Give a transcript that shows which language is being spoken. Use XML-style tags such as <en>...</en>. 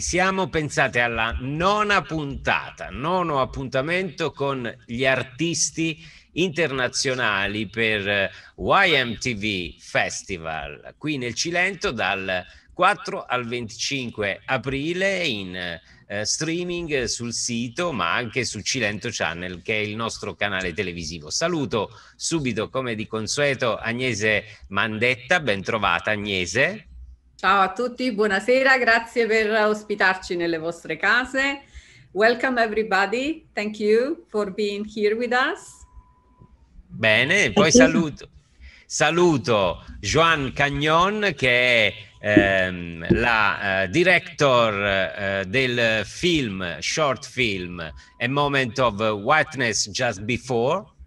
<it>Siamo, pensate, alla nona puntata, nono appuntamento con gli artisti internazionali per YMTV Festival qui nel Cilento dal 4 al 25 aprile in streaming sul sito, ma anche su Cilento Channel, che è il nostro canale televisivo. Saluto subito, come di consueto, Agnese Mandetta. Ben trovata, Agnese. Ciao a tutti, buonasera, grazie per ospitarci nelle vostre case.</it> <en>Welcome everybody, thank you for being here with us.</en> <it>Bene, poi saluto Joan Cagnon, che è director del film, short film, A Moment of Whiteness Just Before.</it>